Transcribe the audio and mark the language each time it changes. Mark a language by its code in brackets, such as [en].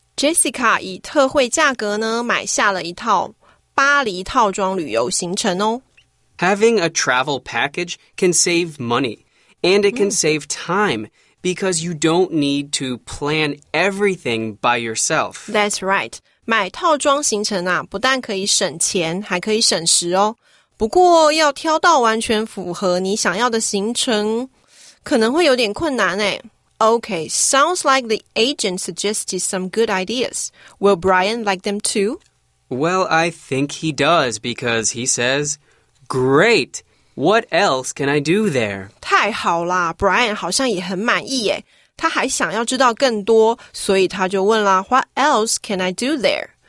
[zh] Jessica 以特惠价格呢买下了一套巴黎套装旅游行程哦。 [en] Having a travel package can save money, and it can、mm. save time. Because you don't need to plan everything by yourself. That's right. [zh] 买套装行程啊，不但可以省钱，还可以省时哦。不过要挑到完全符合你想要的行程，可能会有点困难诶。 [en] Okay, sounds like the agent suggested some good ideas. Will Brian like them too? Well, I think he does because he says, great! What else can I do there? [zh] 太好啦 ,Brian 好像也很满意耶。他还想要知道更多，所以他就问啦 , [en] What else can I do there?